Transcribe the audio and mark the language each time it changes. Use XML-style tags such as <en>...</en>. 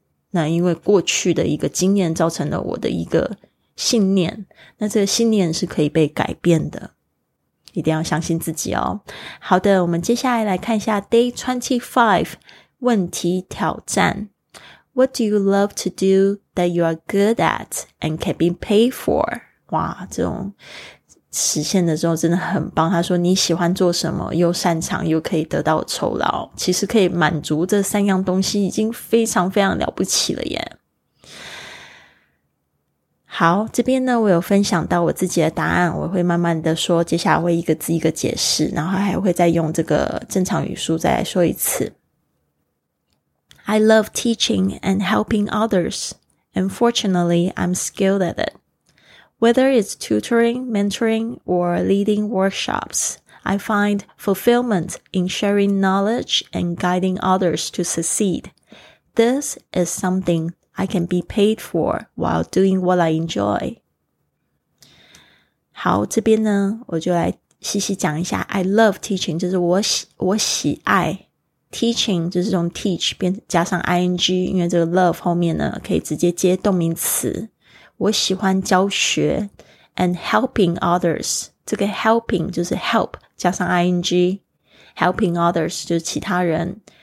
<zh>那因为过去的一个经验造成了我的一个信念，那这个信念是可以被改变的，一定要相信自己哦。好的，我们接下来来看一下 Day 25问题挑战。</zh> <en>What do you love to do that you are good at and can be paid for?</en> <zh>哇，这种实现的时候真的很棒。他说你喜欢做什么，又擅长又可以得到酬劳，其实可以满足这三样东西已经非常非常了不起了耶。好，这边呢我有分享到我自己的答案，我会慢慢的说，接下来会一个字一个解释，然后还会再用这个正常语速再来说一次。</zh> <en>I love teaching and helping others, and fortunately I'm skilled at it. Whether it's tutoring, mentoring, or leading workshops, I find fulfillment in sharing knowledge and guiding others to succeed. This is something I can be paid for while doing what I enjoy.</en> <zh>好，这边呢我就来细细讲一下。</zh> <en>I love teaching</en> <zh>就是我喜爱 teaching 就是用 teach 加上 ing， 因为这个 love 后面呢可以直接接动名词。我喜欢教学，</zh> <en>and helping others，</en> <zh>这个 helping 就是 help 加上 ing， helping others 就是其他人。</zh>